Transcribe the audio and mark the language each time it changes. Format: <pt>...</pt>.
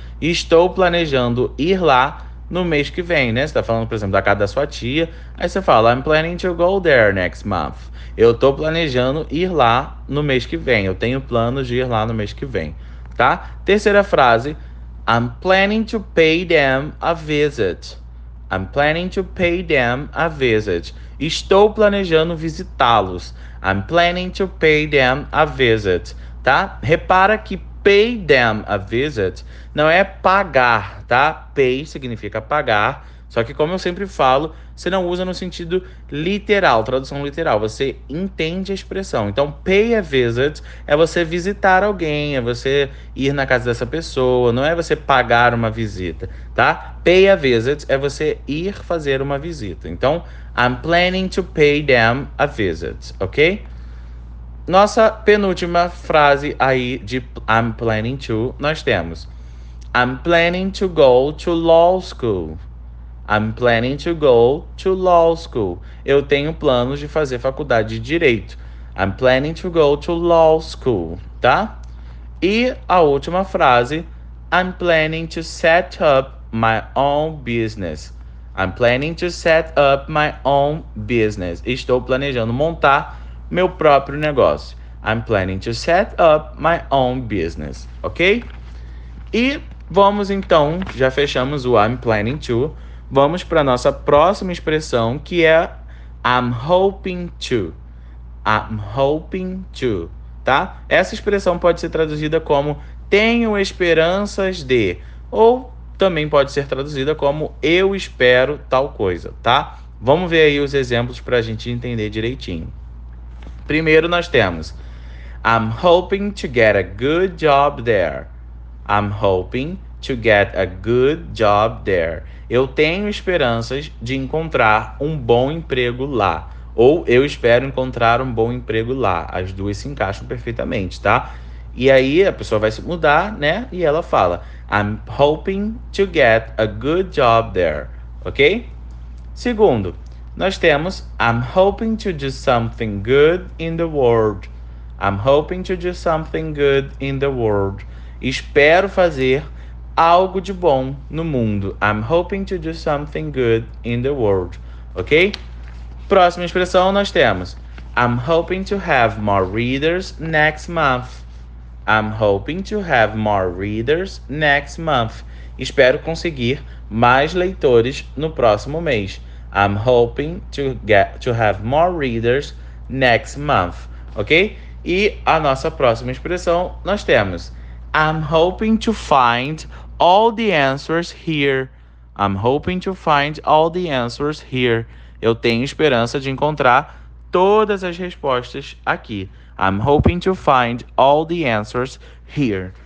<pt>Estou planejando ir lá no mês que vem, né? Você está falando, por exemplo, da casa da sua tia. Aí você fala:</pt> <en>I'm planning to go there next month.</en> <pt>Eu estou planejando ir lá no mês que vem. Eu tenho planos de ir lá no mês que vem. Tá? Terceira frase:</pt> <en>I'm planning to pay them a visit. I'm planning to pay them a visit.</en> <pt>Estou planejando visitá-los.</pt> <en>I'm planning to pay them a visit.</en> <pt>Tá? Repara que</pt> <en>pay them a visit</en> <pt>não é pagar, tá? Pay significa pagar. Só que, como eu sempre falo, você não usa no sentido literal, tradução literal, você entende a expressão. Então,</pt> <en>pay a visit</en> <pt>é você visitar alguém, é você ir na casa dessa pessoa, não é você pagar uma visita, tá?</pt> <en>Pay a visit</en> <pt>é você ir fazer uma visita. Então,</pt> <en>I'm planning to pay them a visit, ok?</en> <pt>Nossa penúltima frase aí de</pt> <en>I'm planning to,</en> <pt>nós temos:</pt> <en>I'm planning to go to law school. I'm planning to go to law school.</en> <pt>Eu tenho planos de fazer faculdade de direito.</pt> <en>I'm planning to go to law school,</en> <pt>tá? E a última frase:</pt> <en>I'm planning to set up my own business. I'm planning to set up my own business.</en> <pt>Estou planejando montar meu próprio negócio.</pt> <en>I'm planning to set up my own business, ok?</en> <pt>E vamos então, já fechamos o</pt> <en>I'm planning to.</en> <pt>Vamos para a nossa próxima expressão, que é</pt> <en>I'm hoping to. I'm hoping to, tá?</en> <pt>Essa expressão pode ser traduzida como tenho esperanças de, ou também pode ser traduzida como eu espero tal coisa, tá? Vamos ver aí os exemplos para a gente entender direitinho. Primeiro nós temos:</pt> <en>I'm hoping to get a good job there. I'm hoping to get a good job there.</en> <pt>Eu tenho esperanças de encontrar um bom emprego lá. Ou eu espero encontrar um bom emprego lá. As duas se encaixam perfeitamente, tá? E aí a pessoa vai se mudar, né? E ela fala:</pt> <en>I'm hoping to get a good job there. Ok?</en> <pt>Segundo, nós temos:</pt> <en>I'm hoping to do something good in the world. I'm hoping to do something good in the world.</en> <pt>Espero fazer algo de bom no mundo.</pt> <en>I'm hoping to do something good in the world. Ok?</en> <pt>Próxima expressão nós temos:</pt> <en>I'm hoping to have more readers next month. I'm hoping to have more readers next month.</en> <pt>Espero conseguir mais leitores no próximo mês.</pt> <en>I'm hoping to have more readers next month. Ok?</en> <pt>E a nossa próxima expressão nós temos:</pt> <en>I'm hoping to find all the answers here. I'm hoping to find all the answers here.</en> <pt>Eu tenho esperança de encontrar todas as respostas aqui.</pt> <en>I'm hoping to find all the answers here.</en>